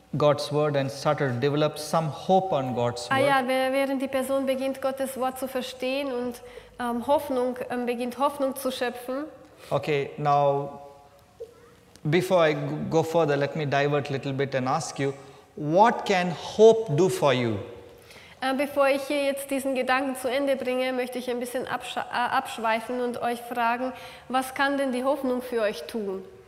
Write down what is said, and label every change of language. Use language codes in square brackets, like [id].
[en] God's word and started to develop some hope on God's word. [de] Ah ja, während die Person beginnt, Gottes Wort zu verstehen und beginnt Hoffnung zu schöpfen. [en] Okay, now before I go further, let me divert a little bit and ask you, what can hope do for you? [de] Bevor ich hier jetzt diesen Gedanken zu Ende bringe, möchte ich ein bisschen abschweifen und euch fragen, was kann denn die Hoffnung für euch tun?